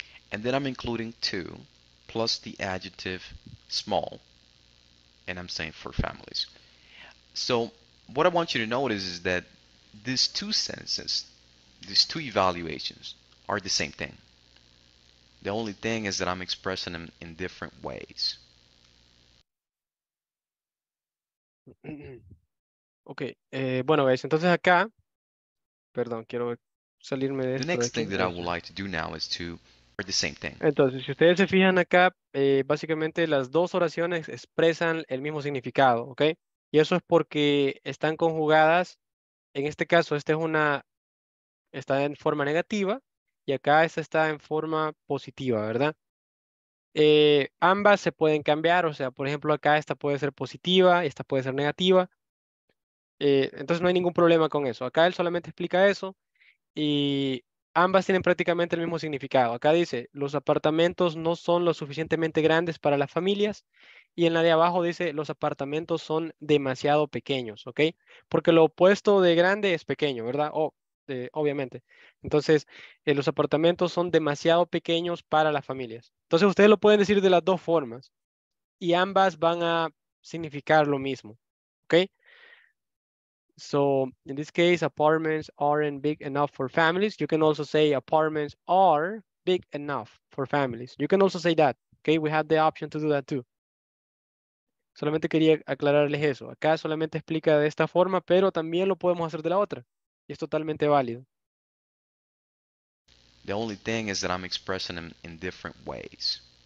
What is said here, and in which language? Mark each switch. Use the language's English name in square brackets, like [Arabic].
[English] And then I'm including two plus the adjective small, and I'm saying for families. So what I want you to notice is that these two sentences, these two evaluations are the same thing. The only thing is that I'm expressing them in different ways. [Spanish] Ok, bueno, guys, entonces acá, perdón, quiero salirme de [English] the [Spanish] esto. [English] Next [Spanish] de aquí, [English] thing that I would like to do now is to or the same thing. [Spanish] Entonces, si ustedes se fijan acá, básicamente las dos oraciones expresan el mismo significado, ¿ok? Y eso es porque están conjugadas. En este caso, esta es una está en forma negativa y acá esta está en forma positiva, ¿verdad? Ambas se pueden cambiar, o sea, por ejemplo, acá esta puede ser positiva y esta puede ser negativa. Entonces no hay ningún problema con eso. Acá él solamente explica eso y ambas tienen prácticamente el mismo significado. Acá dice, los apartamentos no son lo suficientemente grandes para las familias, y en la de abajo dice, los apartamentos son demasiado pequeños, ¿ok? Porque lo opuesto de grande es pequeño, ¿verdad? Obviamente. Entonces, los apartamentos son demasiado pequeños para las familias. Entonces, ustedes lo pueden decir de las dos formas y ambas van a significar lo mismo, ¿ok? [English] So, in this case, apartments aren't big enough for families. You can also say apartments are big enough for families. You can also say that. Okay, we have the option to do that too. [Spanish] Solamente quería aclararles eso. Acá solamente explica de esta forma, pero también lo podemos hacer de la otra. Y es totalmente válido. [English] The only thing is that I'm expressing them in different ways.